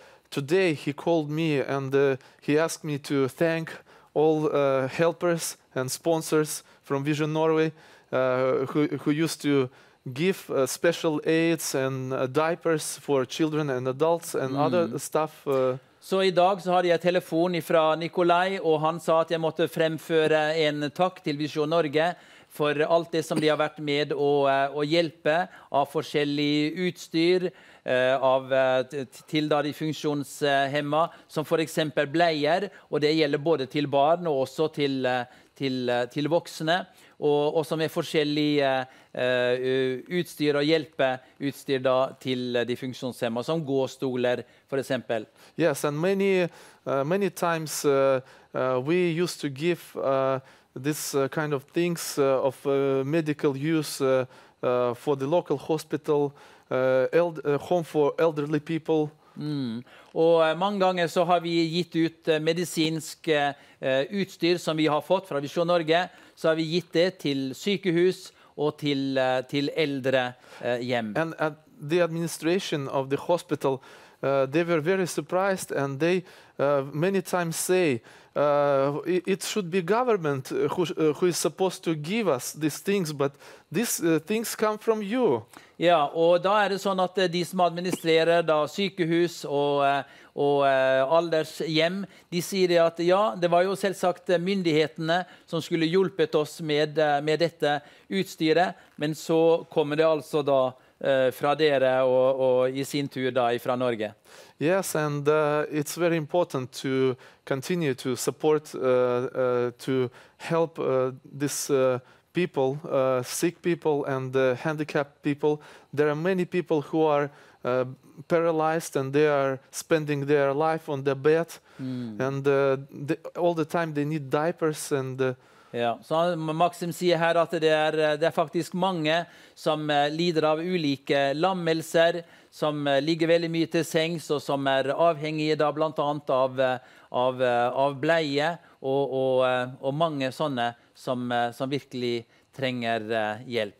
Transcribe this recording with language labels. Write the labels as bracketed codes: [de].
[en] Today he called me and he asked me to thank all helpers and sponsors from Vision Norway who used to give special aids and diapers for children and adults and other stuff. [no] Så i dag så hadde jeg telefon ifra Nikolai, og han sa at jeg måtte fremføre en takk til Vision Norge for alt det som de har vært med å hjelpe av forskjellig utstyr til da de funksjonshemma, som for eksempel bleier, og det gjelder både til barn og også til voksne, og som er forskjellige utstyr og hjelpeutstyr da til de funksjonshemma, som gåstoler for eksempel. [en] Yes, and many times we used to give this kind of things of medical use for the local hospital, home for elderly people. Mm. [no] Og mange ganger så har vi gitt ut medisinsk utstyr som vi har fått fra Visjon Norge, så har vi gitt det til sykehus og til eldre hjem. [en] And the administration of the hospital, they were very surprised and they many times say it should be government who is supposed to give us these things, but these things come from you. [no] Ja, og da er det sånn at de som administrerer da sykehus og aldershjem, de sier at ja, det var jo selvsagt myndighetene som skulle hjulpet oss med dette utstyret, men så kommer det altså da fra dere og I sin tur da fra Norge. [en] Yes, and it's very important to continue to support to help this people, sick people and handicapped people. There are many people who are paralyzed and they are spending their life on their bed and all the time they need diapers and [no] Ja, så Maxim sier her at det er faktisk mange som lider av ulike lammelser, som ligger veldig mye til sengs og som avhengige da blant annet av bleie og mange sånne som virkelig trenger hjelp.